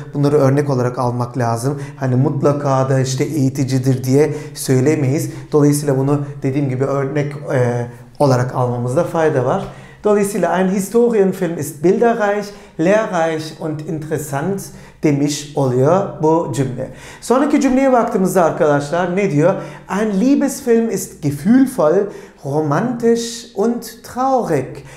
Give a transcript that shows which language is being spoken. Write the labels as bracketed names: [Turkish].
[Turkish] Bunları örnek olarak almak lazım. Hani mutlaka da işte eğiticidir diye söylemeyiz. Dolayısıyla bunu dediğim gibi örnek olarak almamızda fayda var. Dolayısıyla [German] ein Historienfilm ist bilderreich, lehrreich und interessant [Turkish] demiş oluyor bu cümle. Sonraki cümleye baktığımızda arkadaşlar ne diyor? [German] Ein Liebesfilm ist gefühlvoll, romantisch und traurig.